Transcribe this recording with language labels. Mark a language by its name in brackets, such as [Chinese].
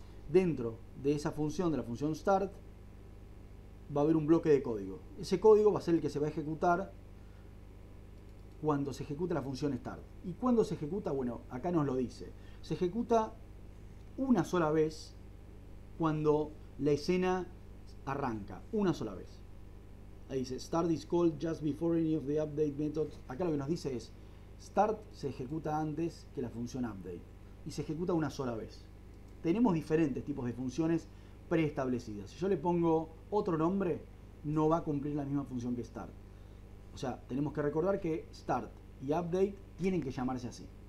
[Spanish] Dentro de esa función, de la función start, va a haber un bloque de código. Ese código va a ser el que se va a ejecutar cuando se ejecuta la función start. ¿Y cuándo se ejecuta? Bueno, acá nos lo dice. Se ejecuta una sola vez cuando la escena arranca. Una sola vez. Ahí dice, [English] start is called just before any of the update methods. [Spanish] Acá lo que nos dice es, start se ejecuta antes que la función update. Y se ejecuta una sola vez. Tenemos diferentes tipos de funciones preestablecida. Si yo le pongo otro nombre, no va a cumplir la misma función que start. O sea, tenemos que recordar que start y update tienen que llamarse así.